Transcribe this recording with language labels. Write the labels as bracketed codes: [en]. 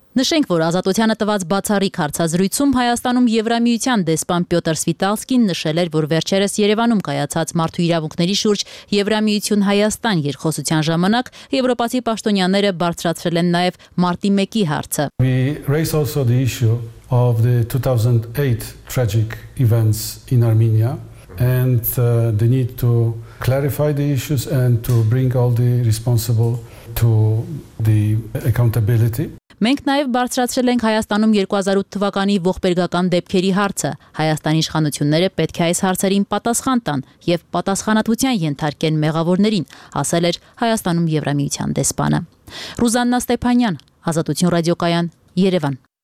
[hy] Նշենք, որ ազատությանը տված բացառիկ հարցազրույցում Հայաստանում Եվրամիության դեսպան Պյոտր Սվիտալսկին նշել էր, որ վերջերս Երևանում կայացած մարդու իրավունքների շուրջ Եվրամիություն Հայաստան երկխոսության ժամանակ եվրոպացի պաշտոնյաները բարձրացրել են նաեւ մարտի 1-ի հարցը։ [en] We raise also the issue of the 2008 tragic events in Armenia and the need to clarify the issues and to bring all the responsible to the accountability. [hy] Մենք նաև բարձրացրել ենք Հայաստանում 2008 թվականի ողբերգական դեպքերի հարցը։ Հայաստանի իշխանությունները պետք է այս հարցերին պատասխան տան եւ պատասխանատվության ենթարկեն մեղավորներին, ասել էր Հայաստանում Եվրամիության դեսպանը։ Ռուզաննա Ստեփանյան, Ազատություն ռադիոկայան, Երևան։